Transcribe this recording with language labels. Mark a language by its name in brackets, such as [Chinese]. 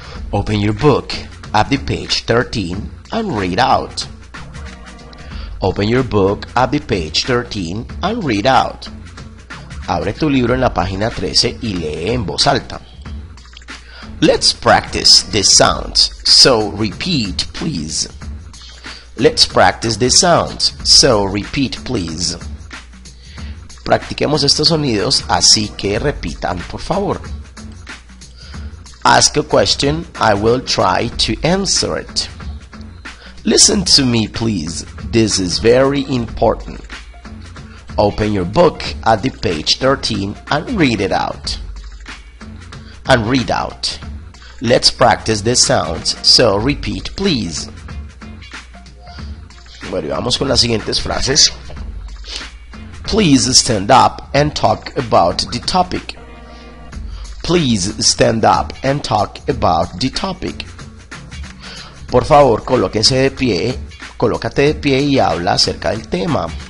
[English] Open your book at the page 13 and read out. Open your book at the page 13 and read out. [Spanish] Abre tu libro en la página 13 y lee en voz alta. [English] Let's practice the sounds, so repeat, please. Let's practice the sounds, so repeat, please. [Spanish] Practiquemos estos sonidos, así que repitan, por favor. [English] Ask a question, I will try to answer it. Listen to me, please. This is very important. Open your book at the page 13 and read it out. And read out. Let's practice the sounds, so repeat, please. [Spanish] Bueno, vamos con las siguientes frases. [English] Please stand up and talk about the topic. Please stand up and talk about the topic. [Spanish] Por favor, colóquense de pie. Colócate de pie y habla acerca del tema.